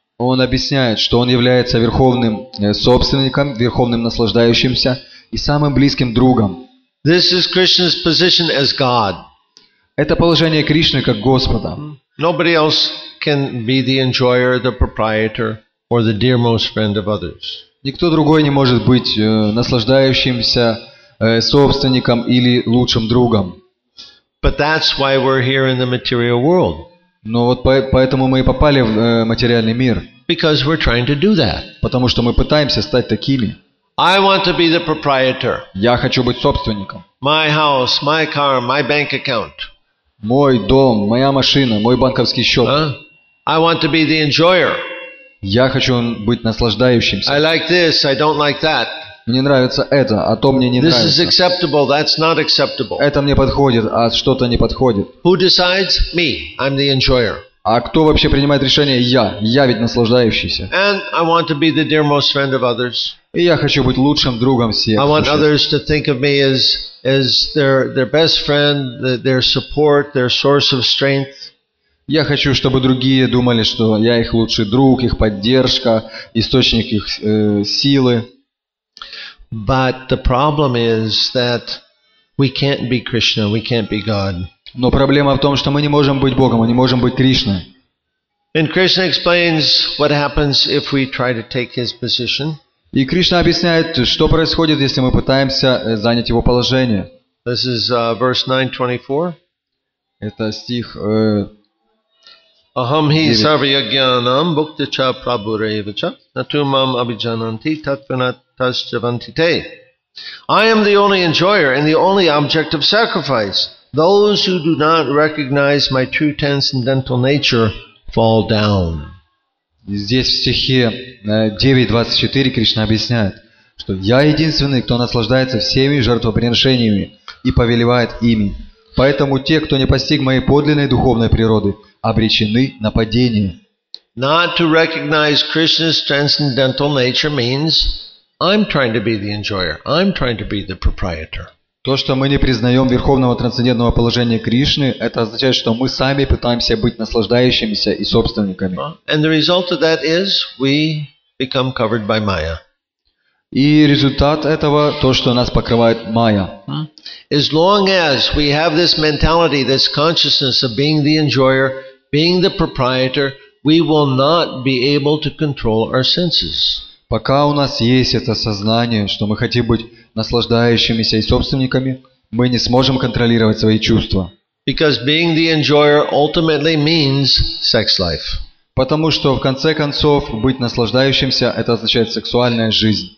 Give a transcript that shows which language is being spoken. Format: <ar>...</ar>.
<ru>Он объясняет, что он является верховным собственником, верховным наслаждающимся и самым близким другом.</ru> <en>This is Krishna's position as God.</en> <ru>Это положение Кришны как Господа.</ru> <en>Nobody else can be the enjoyer, the proprietor, or the dearmost friend of others.</en> <ru>Никто другой не может быть наслаждающимся собственником или лучшим другом.</ru> <en>But that's why we're here in the material world.</en> <ru>Но вот поэтому мы и попали в материальный мир.</ru> <en>Because we're trying to do that.</en> <ru>Потому что мы пытаемся стать такими.</ru> <en>I want to be the proprietor.</en> <ru>Я хочу быть собственником.</ru> <en>My house, my car, my bank account.</en> <ru>Мой дом, моя машина, мой банковский счет.</ru> <en>I want to be the enjoyer.</en> <ru>Я хочу быть наслаждающимся.</ru> <en>I like this, I don't like that.</en> <ru>Мне нравится это, а то мне не</ru> <en>this</en> <ru>нравится.</ru> <en>This is acceptable, that's not acceptable.</en> <ru>Это мне подходит, а что-то не подходит.</ru> <en>Who decides? Me. I'm the enjoyer.</en> <ru>А кто вообще принимает решение? Я. Я ведь наслаждающийся.</ru> <en>And I want to be the dearmost friend of others.</en> <ru>И я хочу быть лучшим другом всех.</ru> <en>I want others to think of me as their best friend, their support, their source of strength.</en> <ru>Я хочу, чтобы другие думали, что я их лучший друг, их поддержка, источник их силы.</ru> <en>But the problem is that we can't be Krishna, we can't be God.</en> <ru>Но проблема в том, что мы не можем быть Богом, мы не можем быть Кришной.</ru> <en>And Krishna explains what happens if we try to take his position.</en> <ru>И Кришна объясняет, что происходит, если мы пытаемся занять его положение.</ru> <en>This is verse 9:24.</en> <ru>Это стих</ru> <sa>Aham hi sarvayajnanam bhuktacha prabhurevacha natumam abhijananti tatvanatascavanti te.</sa> <en>I am the only enjoyer and the only object of sacrifice. Those who do not recognize my true transcendental nature fall down.</en> <ru>Здесь в стихе 9:24 Кришна объясняет, что я единственный, кто наслаждается всеми жертвоприношениями и повелевает ими. Поэтому те, кто не постиг моей подлинной духовной природы, обречены на падение.</ru> <en>Not to recognize Krishna's transcendental nature means I'm trying to be the enjoyer. I'm trying to be the proprietor.</en> <ru>То, что мы не признаем верховного трансцендентного положения Кришны, это означает, что мы сами пытаемся быть наслаждающимися и собственниками.</ru> <en>And the result of that is we become covered by Maya.</en> <ru>И результат этого то, что нас покрывает Майя.</ru> <en>As long as we have this mentality, this consciousness of being the enjoyer, being the proprietor, we will not be able to control our senses.</en> <ru>Пока у нас есть это сознание, что мы хотим быть наслаждающимися и собственниками, мы не сможем контролировать свои чувства.</ru> <en>Because being the enjoyer ultimately means sex life.</en> <ru>Потому что, в конце концов, быть наслаждающимся – это означает сексуальная жизнь.</ru>